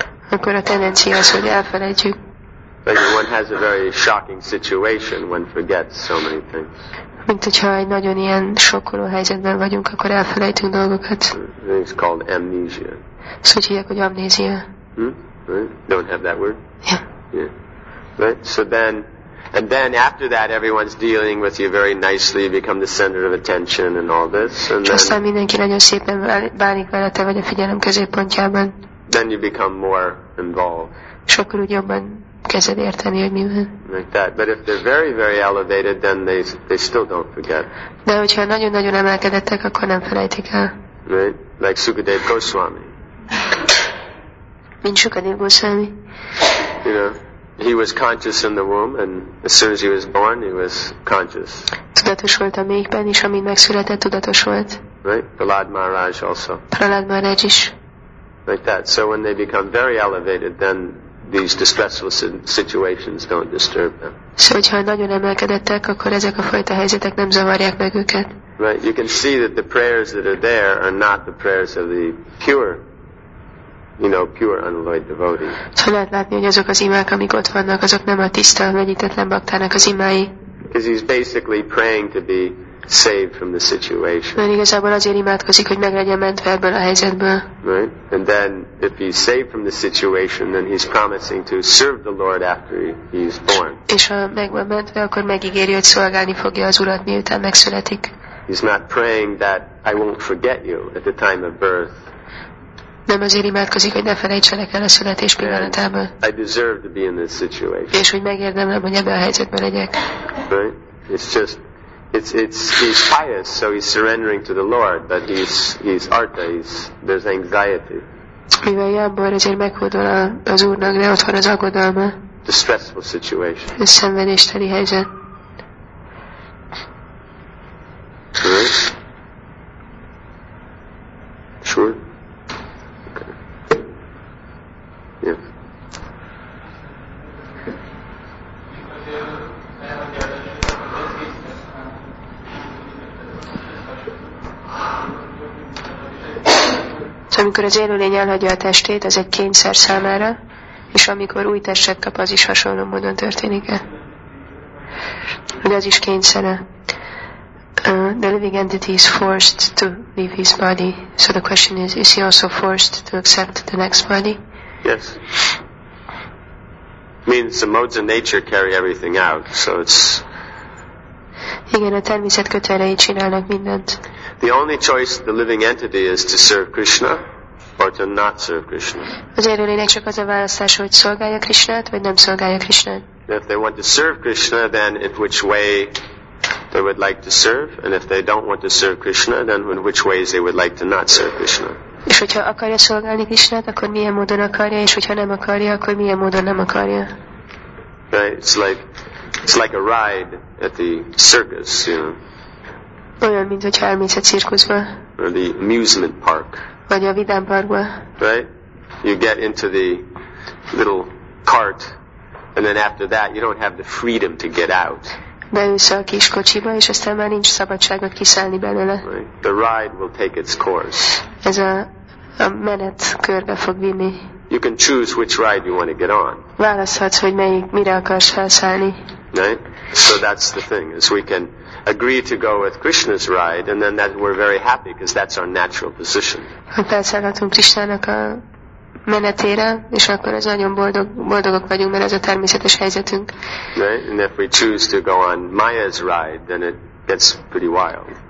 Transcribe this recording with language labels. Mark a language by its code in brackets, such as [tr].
[hu] Akkor a tendencia az, hogy elfelejtjük. [en] Like one has a very shocking situation, one forgets so many things. [hu] Mint hogyha egy nagyon ilyen sokkoló helyzetben vagyunk, akkor elfelejtünk dolgokat. [en] It's called amnesia. [hu] Ezt úgy hívják, hogy amnézia. [en] Right? Don't have that word? Yeah. Right? So then, and then after that, everyone's dealing with you very nicely, become the center of attention and all this. And [hu] then, aztán mindenki nagyon szépen bánik vele, te vagy a figyelem középpontjában. [en] Then you become more involved. [hu] És akkor úgy jobban kezed érteni, hogy mi van. [en] Like that. But if they're very, very elevated, then they still don't forget. [hu] De hogyha nagyon-nagyon emelkedettek, akkor nem felejtik el. [en] Right? Like Sukadev Goswami. [hu] Mint Sukadev Goswami. [en] You know, he was conscious in the womb, and as soon as he was born, he was conscious. [hu] Tudatos volt a méhben, és amint megszületett, tudatos volt. [en] Right? Prahlad Maharaj also. [hu] Prahlad Maharaj is. [en] Like that. So when they become very elevated, then these distressful situations don't disturb them. [hu] So, hogyha nagyon emelkedettek, akkor ezek a fajta helyzetek nem zavarják meg őket. [en] Right, you can see that the prayers that are there are not the prayers of the pure, you know, pure unalloyed devotee. [hu] So, lehet látni, hogy azok az imák, amik ott vannak, azok nem a tiszta, megítetlen baktának az imái. [en] Because he's basically praying to be saved from the situation. [hu] Mert igazából azért imádkozik, hogy meg legyen mentve ebből a helyzetből. [en] Right? And then if he's saved from the situation, then he's promising to serve the Lord after he's born. [hu] És ha meg van mentve, akkor megígéri, hogy szolgálni fogja az Urat, miután megszületik. [en] He's not praying that I won't forget you at the time of birth. [hu] Nem azért imádkozik, hogy ne felejtselek el a születés pillanatában. [en] I deserve to be in this situation. [hu] És hogy megérdemlem, hogy ebben a helyzetben legyek. [en] Right? He's pious, so he's surrendering to the Lord, but he's artha, there's anxiety. [hu] Mivel jámbor, ezért meghódol az Úrnak, de ott van az aggodalma. [en] distressful situation. [hu] Ez szenvedésteli helyzet. [en] Sure. Okay. Yes. [hu] Szóval, amikor az élőlény elhagyja a testét, az egy kényszer számára, és amikor új testet kap, az is hasonló módon történik-e? De az is kényszere. [en] The living entity is forced to leave his body. So the question is he also forced to accept the next body? Yes. Means the modes of nature carry everything out, so it's... [hu] Igen, a természet kötelei csinálnak mindent. [en] The only choice the living entity is to serve Krishna or to not serve Krishna. [hu] Az élőlénynek csak az a választása, hogy szolgálja Krishnát, vagy nem szolgálja Krishnát. [en] If they want to serve Krishna, then in which way they would like to serve, and if they don't want to serve Krishna, then in which ways they would like to not serve Krishna. [hu] És hogyha akarja szolgálni Krishnát, akkor milyen módon akarja, és hogyha nem akarja, akkor milyen módon nem akarja. [en] Right? It's like a ride at the circus, you know. [hu] Olyan, mint hogyha elmész a cirkuszba. [en] Or the amusement park. [hu] Vagy a vidám parkba. [en] Right? You get into the little cart, and then after that, you don't have the freedom to get out. [hu] Beülsz a kis kocsiba, és aztán már nincs szabadságot kiszállni belőle. [en] Right. The ride will take its course. [hu] Ez a menet körbe fog vinni. [en] You can choose which ride you want to get on. [hu] Választhatsz, hogy melyik, mire akarsz felszállni. [en] Right? So that's the thing, is we can agree to go with Krishna's ride, and then that we're very happy, because that's our natural position. [hu] Ha felszállhatunk Krishnának a menetére, és akkor az nagyon boldogok vagyunk, mert ez a természetes helyzetünk. [en] Right? And if we choose to go on Maya's ride, then it gets pretty wild.